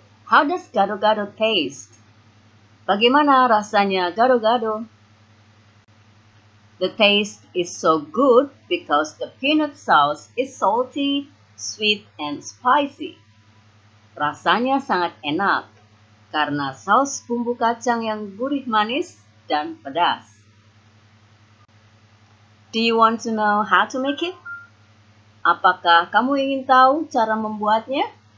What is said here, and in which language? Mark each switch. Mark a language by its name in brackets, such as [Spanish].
[English] How does gado-gado taste? [Indonesian] Bagaimana rasanya gado-gado? [English] The taste is so good because the peanut sauce is salty, sweet, and spicy. [Indonesian] Rasanya sangat enak karena saus bumbu kacang yang gurih manis dan pedas. [English] Do you want to know how to make it? [Indonesian] Apakah kamu ingin tahu cara membuatnya?